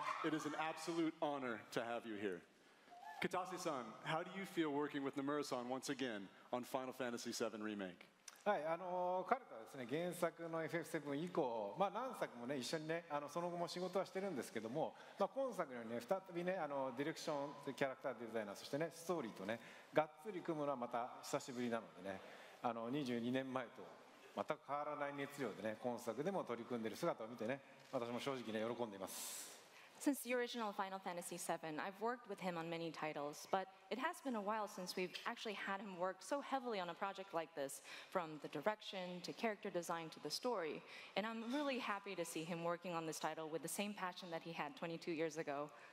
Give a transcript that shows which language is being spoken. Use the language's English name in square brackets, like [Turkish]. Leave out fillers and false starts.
[English] It is an absolute honor to have you here. Kitase-san, how do you feel working with Nomura-san once again on Final Fantasy VII Remake? [Japanese] はい、彼とはですね、原作の FF7 以降、まあ、何作もね、一緒にね、その後も仕事はしてるんですけども、まあ、今作のようにね、再びね、ディレクション、キャラクターデザイナー、そしてね、ストーリーとね、がっつり組むのはまた久しぶりなのでね、22年前と全く変わらない熱量でね、今作でも取り組んでる姿を見てね、私も正直ね、喜んでいます。 [English] Since the original Final Fantasy VII, I've worked with him on many titles, but it has been a while since we've actually had him work so heavily on a project like this, from the direction to character design to the story. And I'm really happy to see him working on this title with the same passion that he had 22 years ago.